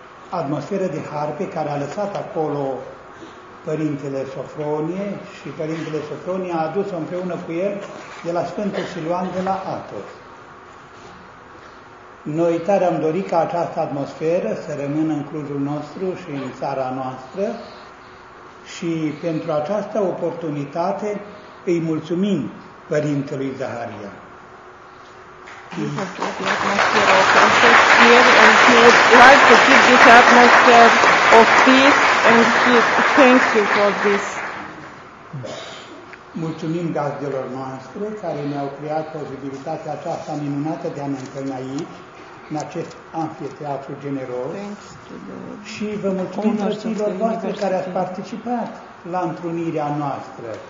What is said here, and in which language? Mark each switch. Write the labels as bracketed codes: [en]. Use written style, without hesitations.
[ro] Atmosferă de har pe care a lăsat acolo Părintele Sofronie și Părintele Sofronie a adus-o împreună cu el de la Sfântul Siluan de la Athos. Noi tare am dorit ca această atmosferă să rămână în Clujul nostru și în țara noastră și pentru această oportunitate îi mulțumim Părintelui Zaharia. [en] We have to keep this atmosphere of peace Thank you for this. [ro] Mulțumim gazdelor noastre care ne-au creat posibilitatea aceasta minunată de a ne întâlni aici, în acest amfiteatru generos. Și vă mulțumim tuturor noastre care ați participat la întrunirea noastră.